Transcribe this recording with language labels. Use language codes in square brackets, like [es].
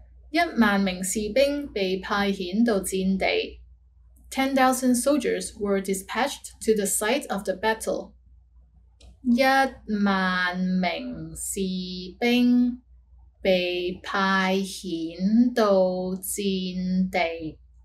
[yue] 一萬名士兵被派遣到戰地。 [en] 10,000 soldiers were dispatched to the site of the battle。 [yue] 一萬名士兵被派遣到戰地。